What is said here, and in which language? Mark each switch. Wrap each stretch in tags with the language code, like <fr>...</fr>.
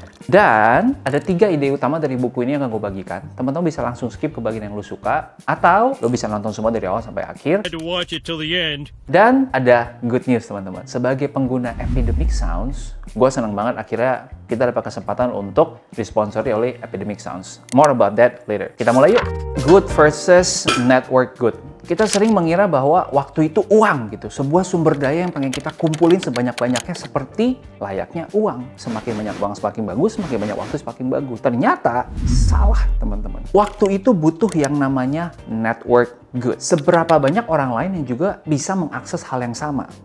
<id>Dan ada 3 ide utama dari buku ini yang akan gua bagikan. Teman-teman bisa langsung skip ke bagian yang lu suka atau lu bisa nonton semua dari awal sampai akhir. Dan ada</id> <en>good news</en> <id>teman-teman. Sebagai pengguna Epidemic Sounds, gua senang banget akhirnya kita dapat kesempatan untuk disponsori oleh Epidemic Sounds.</id> <en>More about that later.</en> <id>Kita mulai yuk.</id> <en>Good versus network good.</en> <id>Kita sering mengira bahwa waktu itu uang gitu, sebuah sumber daya yang pengen kita kumpulin sebanyak-banyaknya seperti layaknya uang. Semakin banyak uang semakin bagus, semakin banyak waktu semakin bagus. Ternyata salah teman-teman. Waktu itu butuh yang namanya network good. Seberapa banyak orang lain yang juga bisa mengakses hal yang sama.</id>